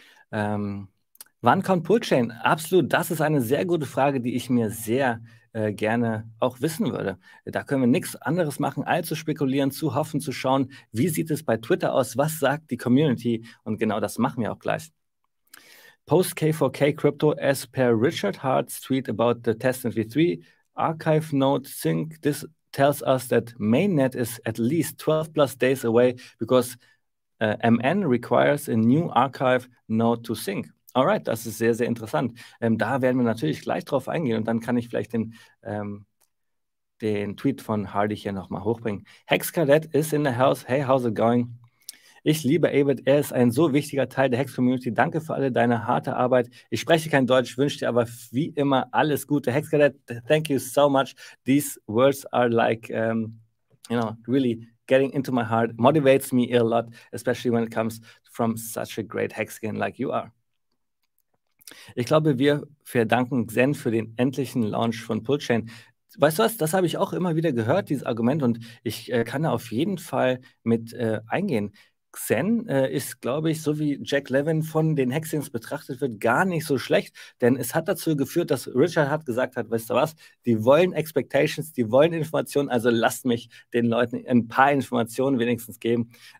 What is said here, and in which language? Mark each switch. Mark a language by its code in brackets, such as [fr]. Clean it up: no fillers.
[de] Wann kommt Pullchain? Absolut, das ist eine sehr gute Frage, die ich mir sehr gerne auch wissen würde. Da können wir nichts anderes machen, als zu spekulieren, zu hoffen, zu schauen, wie sieht es bei Twitter aus, was sagt die Community, und genau das machen wir auch gleich. [en] Post K4K Crypto as per Richard Hart's tweet about the Testnet V3 archive node sync. This tells us that mainnet is at least 12 plus days away because MN requires a new archive node to sync. [de] Alright, das ist sehr, sehr interessant. Da werden wir natürlich gleich drauf eingehen, und dann kann ich vielleicht den Tweet von Hardy hier nochmal hochbringen. Hexcadet is in the house. Hey, how's it going? Ich liebe Abed, er ist ein so wichtiger Teil der HEX-Community. Danke für alle deine harte Arbeit. Ich spreche kein Deutsch, wünsche dir aber wie immer alles Gute. [en] HEX-Cadet, thank you so much. These words are like, you know, really getting into my heart. Motivates me a lot, especially when it comes from such a great Hexagon like you are. [de] Ich glaube, wir verdanken Xen für den endlichen Launch von Pullchain. Weißt du was, das habe ich auch immer wieder gehört, dieses Argument, und ich kann da auf jeden Fall mit eingehen. Xen ist, glaube ich, so wie Jack Levin von den Hexings betrachtet wird, gar nicht so schlecht, denn es hat dazu geführt, dass Richard Hart gesagt hat, weißt du was, die wollen Expectations, die wollen Informationen, also lasst mich den Leuten ein paar Informationen wenigstens geben.